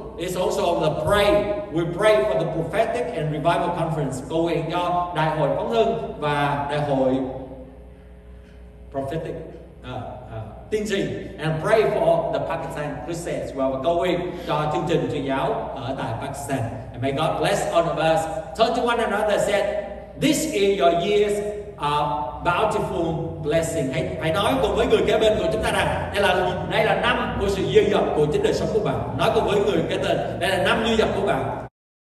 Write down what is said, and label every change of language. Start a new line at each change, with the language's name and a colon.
English: It's also the pray. We pray for the prophetic and revival conference.
Vietnamese: Cầu nguyện cho đại hội phóng hưng và đại hội prophetic.
English: And pray for the Pakistan Crusades while we're going to our
Vietnamese: chương trình truyền giáo ở tại Pakistan.
English: And may God bless all of us. Turn to one another and said, this is your year's bountiful blessing.
Vietnamese: Hãy nói cùng với người kế bên của chúng ta rằng đây là năm của sự dư dật của chính đời sống của bạn. Nói cùng với người kế bên, đây là năm dư dật của bạn.